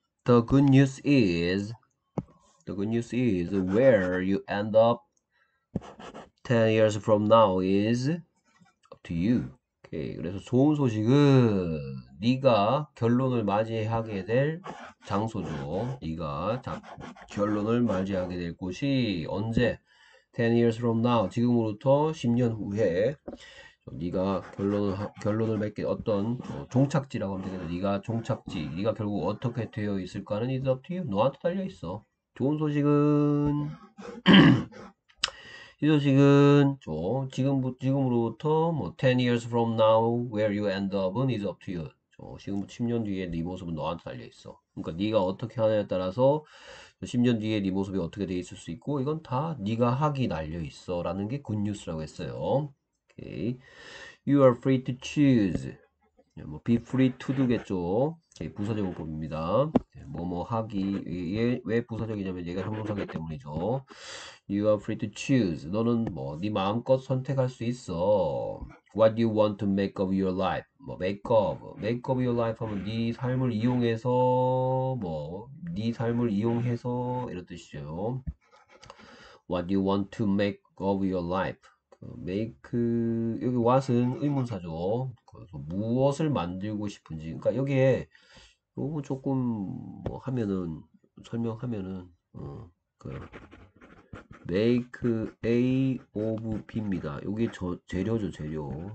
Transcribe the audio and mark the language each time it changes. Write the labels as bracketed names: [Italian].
[English] The good news is, the good news is where you end up 10 years from now is up to you. Okay. [Korean] 그래서 좋은 소식은 네가 결론을 맞이하게 될 장소죠. 네가 결론을 맞이하게 될 곳이 언제? [English] 10 years from now, [Korean] 지금으로부터 10년 후에 네가 결론을 맺게 어떤 종착지라고 하면 되겠다. 네가 종착지, 네가 결국 어떻게 되어 있을까는 [English] is up to you. [Korean] 너한테 달려 있어. 좋은 소식은 이 소식은 지금부터 뭐 [English] 10 years from now where you end up은 is up to you. [Korean] 지금부터 10년 뒤에 네 모습은 너한테 달려 있어. 그러니까 네가 어떻게 하느냐에 따라서 10년 뒤에 네 모습이 어떻게 돼 있을 수 있고 이건 다 네가 하기 달려 있어라는 게 굿뉴스라고 했어요. [English] 오케이. You are free to choose. [Korean] 뭐 be free to do겠죠. 부사적 문법입니다. 뭐뭐 하기 왜 부사적이냐면 얘가 형용사기 때문이죠. [English] You are free to choose. [Korean] 너는 뭐네 마음껏 선택할 수 있어. [English] What do you want to make of your life? [Korean] 뭐 [English] make of your life [Korean] 하면 네 삶을 이용해서 뭐네 삶을 이용해서 이런 뜻이죠. [English] What do you want to make of your life? [Korean] make 여기 what은 의문사죠. 그래서 무엇을 만들고 싶은지. 그러니까 여기에 너무 조금 뭐 하면은 설명하면은 [English] make a of b [Korean] 입니다. 요게 저 재료죠, 재료.